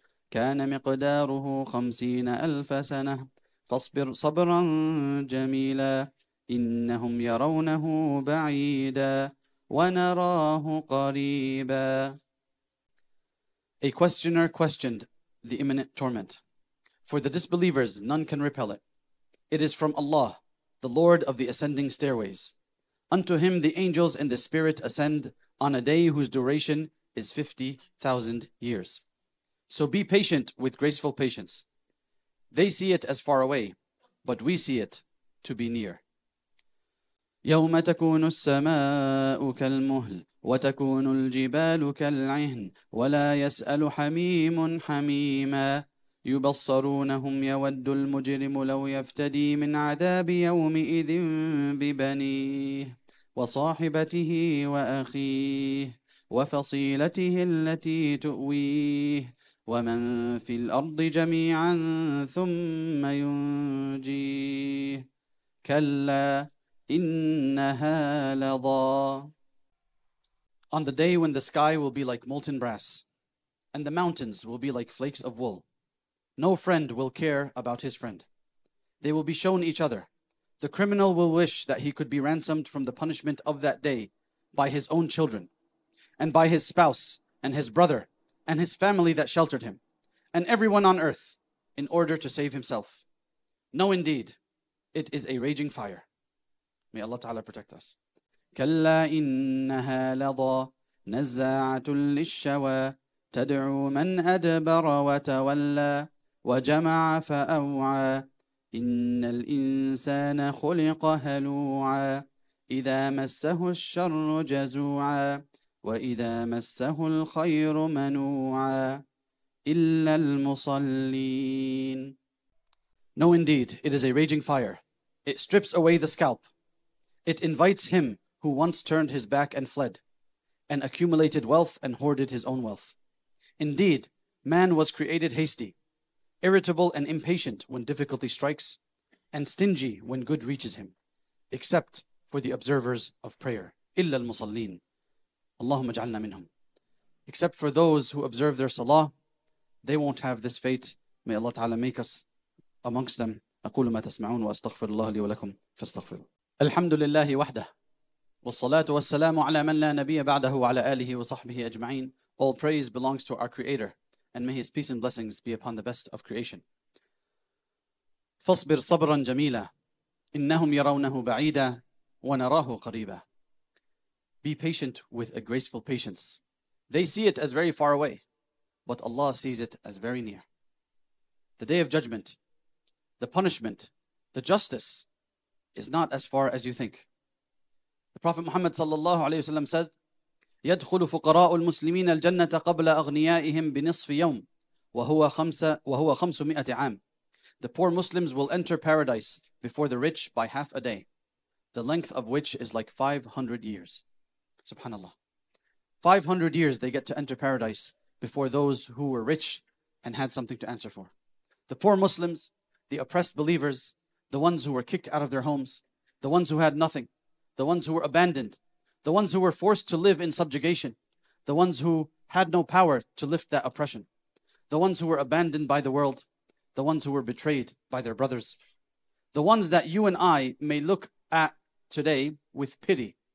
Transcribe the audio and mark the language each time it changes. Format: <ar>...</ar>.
<ar>كان مقداره خمسين ألف سنة فاصبر صبرا جميلا إنهم يرونه بعيدا ونراه قريبا.</ar> <en>A questioner questioned the imminent torment. For the disbelievers, none can repel it. It is from Allah, the Lord of the ascending stairways. Unto him the angels and the spirit ascend on a day whose duration is 50,000 years. So be patient with graceful patience. They see it as far away, but we see it to be near.</en> <ar>يوم تكون السماء كالمهل وتكون الجبال كالعهن ولا يسأل حميم حميما يبصرونهم يود المجرم لو يفتدي من عذاب يومئذ ببنيه وصاحبته وأخيه وفصيلته التي تؤويه ومن في الأرض جميعا ثم ينجيه كلا إِنَّهَا لَظَى.</ar> <en>On the day when the sky will be like molten brass and the mountains will be like flakes of wool, no friend will care about his friend. They will be shown each other. The criminal will wish that he could be ransomed from the punishment of that day by his own children and by his spouse and his brother and his family that sheltered him and everyone on earth in order to save himself. No, indeed, it is a raging fire. May Allah Ta'ala protect us.</en> <ar>كلا إنها لظى نزاعة للشوى تدعو من أدبر وتولى وجمع فأوعى إن الإنسان خلق هلوعا إذا مسه الشر جزوعا وإذا مسه الخير منوعا إلا المصلين.</ar> <en>No, indeed, it is a raging fire. It strips away the scalp. It invites him who once turned his back and fled and accumulated wealth and hoarded his own wealth. Indeed, man was created hasty, irritable and impatient when difficulty strikes, and stingy when good reaches him, except for the observers of prayer.</en> <ar>إِلَّا الْمُصَلِّينَ اللَّهُمَّ اجْعَلْنَا مِنْهُمْ.</ar> <en>Except for those who observe their salah, they won't have this fate. May Allah Ta'ala make us amongst them.</en> <ar>أَقُولُ مَا تَسْمَعُونَ وَأَسْتَغْفِرُ اللَّهَ لِي وَلَكُمْ فَاسْتَغْفِرُوا. الحمد لله وحده والصلاة والسلام على من لا نبي بعده وعلى آله وصحبه أجمعين.</ar> <en>All praise belongs to our Creator, and may His peace and blessings be upon the best of creation.</en> <ar>فاصبر صبرا جميلا إنهم يرونه بعيدا ونراه قريبا.</ar> <en>Be patient with a graceful patience. They see it as very far away, but Allah sees it as very near. The day of judgment, the punishment, the justice is not as far as you think. The Prophet Muhammad sallallahu alayhi wa sallam said,</en> <ar>يَدْخُلُ فُقَرَاءُ الْمُسْلِمِينَ الْجَنَّةَ قَبْلَ أَغْنِيَائِهِمْ بِنِصْفِ يَوْمٍ وَهُوَ خَمْسُ مِئَةِ عَامٍ.</ar> <en>The poor Muslims will enter paradise before the rich by half a day, the length of which is like 500 years. SubhanAllah. 500 years they get to enter paradise before those who were rich and had something to answer for. The poor Muslims, the oppressed believers, the ones who were kicked out of their homes, the ones who had nothing, the ones who were abandoned, the ones who were forced to live in subjugation, the ones who had no power to lift that oppression, the ones who were abandoned by the world, the ones who were betrayed by their brothers, the ones that you and I may look at today with pity.</en>